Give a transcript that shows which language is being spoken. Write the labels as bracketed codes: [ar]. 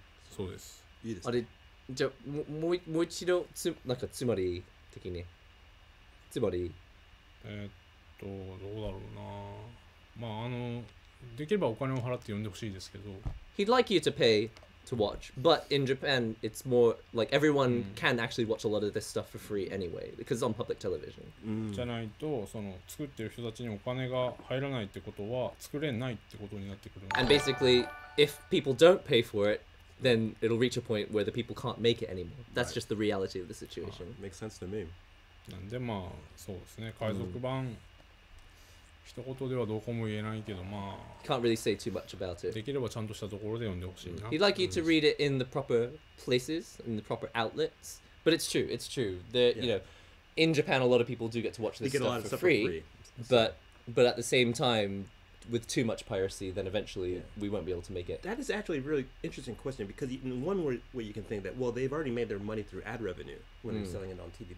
[ja] そうです。いいです。あれ、じゃあ、もう一度、なんかつまり的に、つまり。どうだろうな。まあ、できればお金を払って読んでほしいですけど。 [en] He'd like you to pay. To watch, but in Japan, it's more like everyone can actually watch a lot of this stuff for free anyway, because it's on public television. [ja] じゃないと、その作ってる人たちにお金が入らないってことは作れないってことになってくる。 [en] And basically, if people don't pay for it, then it'll reach a point where the people can't make it anymore. That's just the reality of the situation. Makes sense to me. [ja] なんでまあそうですね。海賊版一言ではどこも言えないけど、まあ、 [en] can't really say too much about it. [ja] できればちゃんとしたところで読んでほしいな。 [en] He'd like you to read it in the proper places, in the proper outlets. But it's true. You know, in Japan, a lot of people do get to watch this stuff for free. But at the same time, with too much piracy, then eventually we won't be able to make it. That is actually a really interesting question, because in one way you can think that, well, they've already made their money through ad revenue when they're selling it on TV.